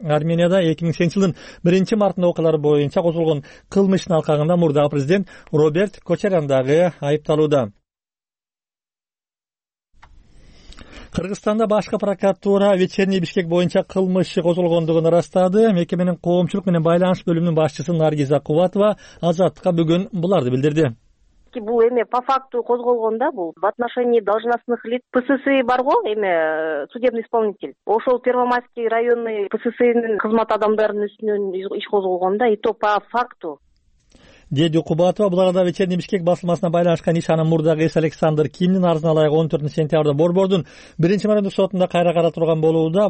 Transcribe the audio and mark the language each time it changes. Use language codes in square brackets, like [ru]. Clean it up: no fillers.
[ky] Арменияда 2008 жылдын 1 мартында окуялары боюнча козголгон кылмыш ишинин алкагында мурдагы президент Роберт Кочарян дагы айыпталууда. Кыргызстанда башкы прокуратура Вечерний Бишкек боюнча кылмыш иши козголгондугун ырастады. Мекеменин коомчулук менен байланыш бөлүмүнүн башчысы Наргиза Кубатова Азаттыкка бүгүн буларды билдирди. Бул эме [ru] по факту [ky] козголгон да, бул [ru] в отношении должностных лиц ПССИ [ky] барго, эме [ru] судебный исполнитель. [ky] Ошол Первомайский районный ПССИнин кызмат адамдарынын үстүнөн иш козголгон да, [ru] и то по факту. [ky] Деди Кубатова, бул арада Вечерний Бишкек басылмасына байланышкан иш анын мурдагы эси Александр Кимдин арызына ылайык 14 сентябрда борбордун 1 майрандык сотунда кайра кара турган болууда.